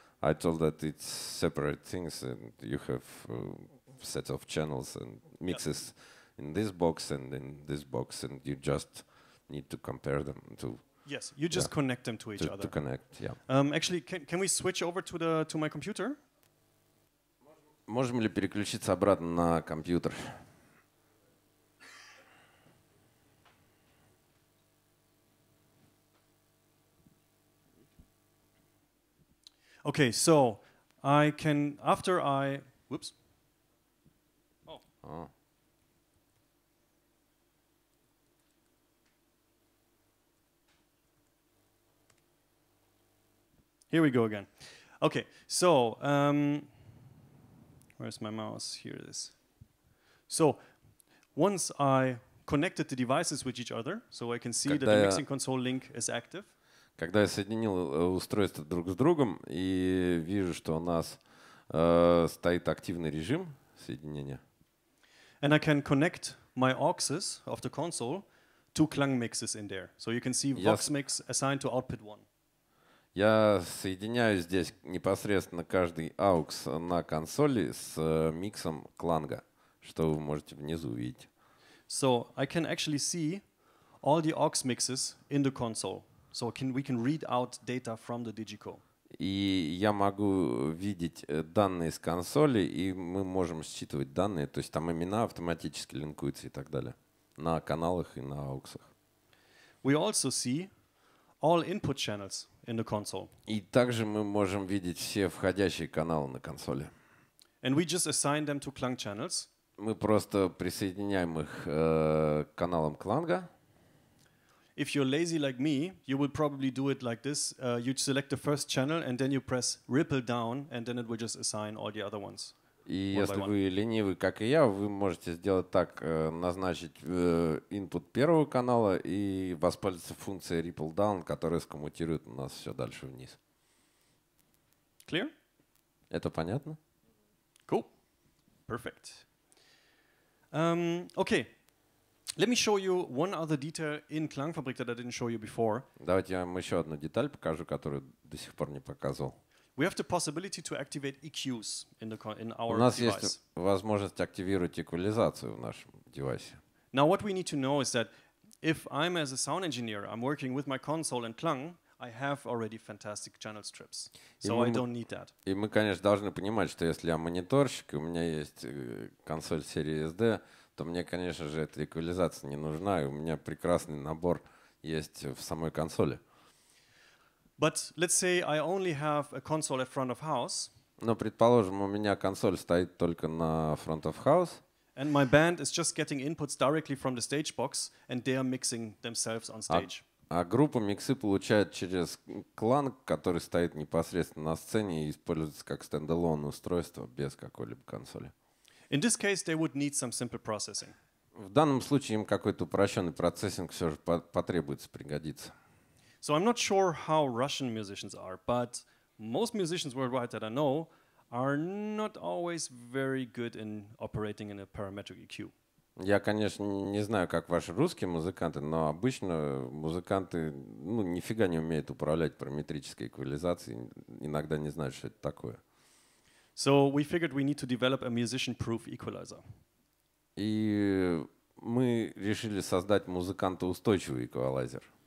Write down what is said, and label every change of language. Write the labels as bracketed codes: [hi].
[en] I told that it's separate things, and you have sets of channels and mixes in this box and in this box, and you just need to compare them to. Yes, you just connect them to each other. To connect, yeah. Actually, can we switch over to my computer? [ru] Можем ли переключиться обратно на компьютер? [en] Okay, so I can after I whoops. Oh. Here we go again. Okay, so where's my mouse? Here it is. So once I connected the devices with each other, so I can see that the mixing console link is active. [ru] Когда я соединил устройство друг с другом и вижу, что у нас стоит активный режим соединения. [en] And I can connect my auxes of the console to Klang mixes in there. So you can see Vox mix assigned to output one. [ru] Я соединяю здесь непосредственно каждый AUX на консоли с миксом кланга, что вы можете внизу увидеть. [en] So I can actually see all the AUX mixes in the console. So we can read out data from the Digico. [ru] И я могу видеть данные с консоли, и мы можем считывать данные, то есть там имена автоматически линкуются и так далее на каналах и на AUX-ах. [en] We also see all input channels in the console. [ru] И также мы можем видеть все входящие каналы на консоли. [en] And we just assign them to Klang channels. [ru] Мы просто присоединяем их к каналам Кланга. [en] if you're lazy like me, you will probably do it like this. You select the first channel and then you press ripple down and then it will just assign all the other ones. [ru] И если вы ленивы, как и я, вы можете сделать так, назначить input первого канала и воспользоваться функцией ripple down, которая скоммутирует у нас все дальше вниз. [en] Clear? [ru] Это понятно? [en] Cool. Perfect. Okay. Let me show you one other detail in Klangfabrik that I didn't show you before. [ru] Давайте я вам еще одну деталь покажу, которую до сих пор не показывал. [en] We have the possibility to activate EQs in the in our device. [ru] У нас [en] device. [ru] Есть возможность активировать эквализацию в нашем девайсе. [en] Now what we need to know is that if I'm as a sound engineer, I'm working with my console and Klang, I have already fantastic channel strips. So I don't need that. [ru] И мы, конечно, должны понимать, что если я мониторщик, у меня есть консоль серии SD, то мне, конечно же, эта эквализация не нужна, и у меня прекрасный набор есть в самой консоли. [en] But let's say I only have a console at front of house. [ru] Но предположим, у меня консоль стоит только на front of house. [en] And my band is just getting inputs directly from the stage box and they are mixing themselves on stage. [ru] А группа миксы получает через кланг, который стоит непосредственно на сцене и используется как стендалон устройство без какой-либо консоли. [en] In this case they would need some simple processing. [ru] В данном случае им какой-то упрощенный процессинг все же потребуется, пригодится. [en] So I'm not sure how Russian musicians are, but most musicians worldwide that I know are not always very good in operating in a parametric EQ. [ru] Я, конечно, не знаю, как ваши русские музыканты, но обычно музыканты, ну, нифига не умеют управлять параметрической эквализацией, иногда не знают, что это такое. [en] So we figured we need to develop a musician-proof equalizer. [ru] И мы решили создать музыканто-устойчивый эквалайзер.